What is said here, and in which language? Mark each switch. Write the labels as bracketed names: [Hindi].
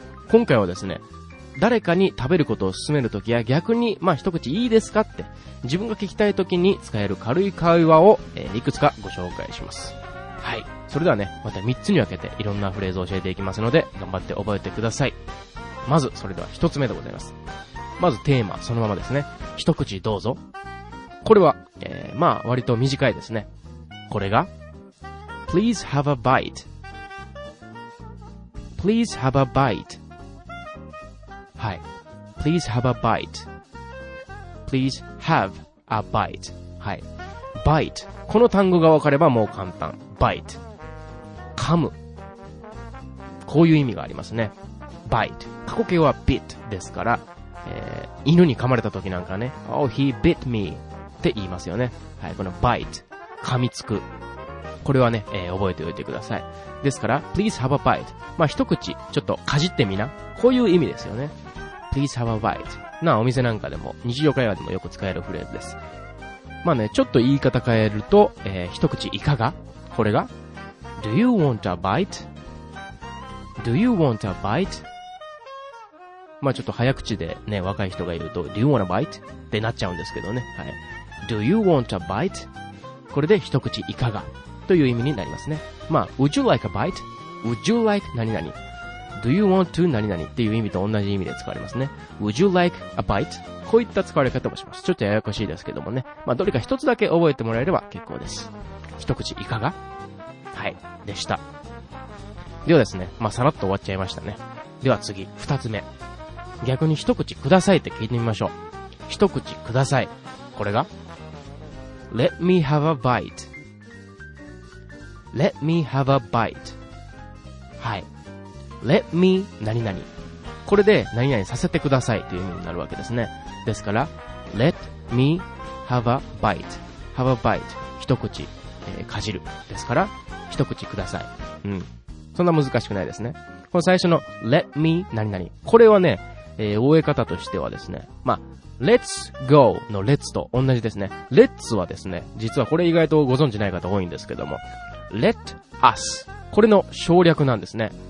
[Japanese] 今回はですね、誰かに食べることを勧めるときや逆に、まあ一口いいですかって自分が聞きたいときに使える軽い会話を、いくつかご紹介します。はい、それではね、また3つに分けていろんなフレーズを教えていきますので頑張って覚えてください。まずそれでは1つ目でございます。まずテーマそのままですね。一口どうぞ。これは、まあ割と短いですね。これが [English] Please have a bite。 Please have a bite。 [Japanese] はい、 [English] Please have a bite。 Please have a bite。 [Japanese] はい、 [English] bite。 [Japanese] この単語が分かればもう簡単。bite、 噛む、こういう意味がありますね。 bite、 過去形は bit ですから、犬に噛まれた時なんかね、 [English] Oh he bit me [Japanese] って言いますよね。はい、この bite、 噛みつく、これはね、覚えておいてください。ですから [English] please have a bite、 [Japanese] まあ一口ちょっとかじってみな、こういう意味ですよね。 [English] please have a bite。 [Japanese] なお店なんかでも日常会話でもよく使えるフレーズです。まあね、ちょっと言い方変えると、一口いかが、これが [English] Do you want a bite? Do you want a bite? [Japanese] まあちょっと早口でね、若い人が言うと [English] Do you want a bite? [Japanese] ってなっちゃうんですけどね。はい、 [English] Do you want a bite? [Japanese] これで一口いかがという意味になりますね。 [English] まあ、Would you like a bite? Would you like 何々? Do you want to 何々? [Japanese] っていう意味と同じ意味で使われますね。 [English] Would you like a bite? [Japanese] こういった使われ方もします。ちょっとややこしいですけどもね。まあ、どれか一つだけ覚えてもらえれば結構です。一口いかが?はい、でした。ではですね、まあ、さらっと終わっちゃいましたね。では次、二つ目。逆に一口くださいって聞いてみましょう。一口ください。 [English] これが Let me have a bite。 Let me have a bite。 [Japanese] はい、 Let me 何々、これで何々させてくださいという意味になるわけですね。ですから [English] Let me have a bite。 Have a bite、 [Japanese] 一口、かじるですから一口ください。そんな難しくないですね。この最初の Let me 何々、これはね、覚え方としてはですね、まあLet's go の let's と同じですね。 let's はですね、実はこれ意外とご存知ない方多いんですけども、let us、 これの省略なんですね。